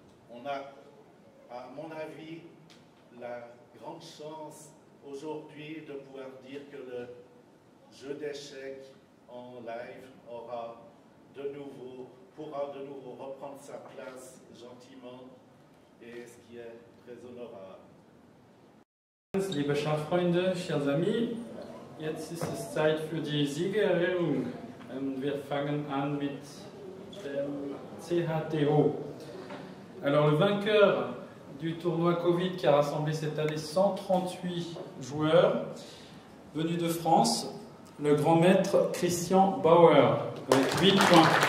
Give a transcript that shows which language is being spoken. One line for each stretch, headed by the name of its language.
French: On a, à mon avis, la grande chance aujourd'hui de pouvoir dire que le jeu d'échecs en live pourra de nouveau reprendre sa place gentiment et ce qui est très honorable.
German: Liebe Schachfreunde,
French: chers amis,
German: jetzt ist es Zeit für die Siegerehrung. Wir fangen an mit dem CHTO.
French: Alors le vainqueur du tournoi Covid qui a rassemblé cette année 138 joueurs venus de France, le grand maître Christian Bauer, avec 8 points.